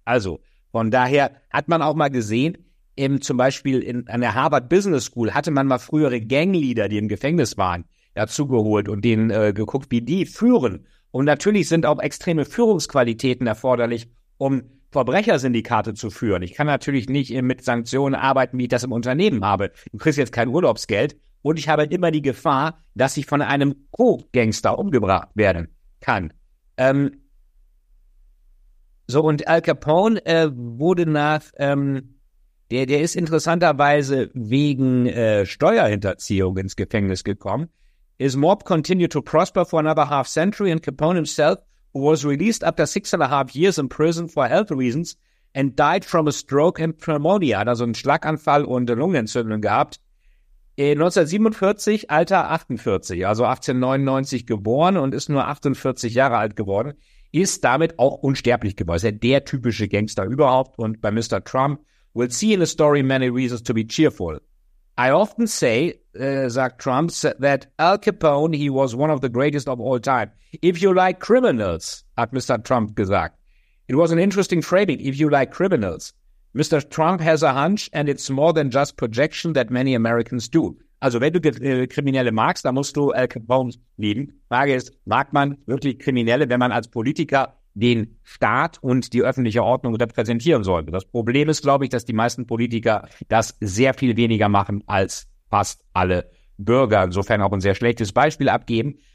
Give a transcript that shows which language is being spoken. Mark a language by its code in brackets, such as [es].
[de] Also, von daher hat man auch mal gesehen, zum Beispiel an der Harvard Business School hatte man mal frühere Gangleader, die im Gefängnis waren, dazugeholt und denen geguckt, wie die führen. Und natürlich sind auch extreme Führungsqualitäten erforderlich, um Verbrechersyndikate zu führen. Ich kann natürlich nicht mit Sanktionen arbeiten, wie ich das im Unternehmen habe. Du kriegst jetzt kein Urlaubsgeld. Und ich habe immer die Gefahr, dass ich von einem Co-Gangster umgebracht werden kann. Und Al Capone wurde nach, der ist interessanterweise wegen Steuerhinterziehung ins Gefängnis gekommen. [en] His mob continued to prosper for another half century and Capone himself, who was released after 6.5 years in prison for health reasons and died from a stroke and pneumonia, [de] hat also einen Schlaganfall und eine Lungenentzündung gehabt. 1947, Alter 48, also 1899 geboren und ist nur 48 Jahre alt geworden, ist damit auch unsterblich geworden. Ist ja der typische Gangster überhaupt. Und bei [en] Mr. Trump, we'll see in a story many reasons to be cheerful. I often say, [de] sagt Trump, [en] that Al Capone, he was one of the greatest of all time. If you like criminals, [de] hat Mr. Trump gesagt. [en] It was an interesting framing, if you like criminals. Mr. Trump has a hunch and it's more than just projection that many Americans do. [de] Also wenn du Kriminelle magst, dann musst du Al Capone lieben. Frage ist, mag man wirklich Kriminelle, wenn man als Politiker den Staat und die öffentliche Ordnung repräsentieren soll? Das Problem ist, glaube ich, dass die meisten Politiker das sehr viel weniger machen als fast alle Bürger. Insofern auch ein sehr schlechtes Beispiel abgeben.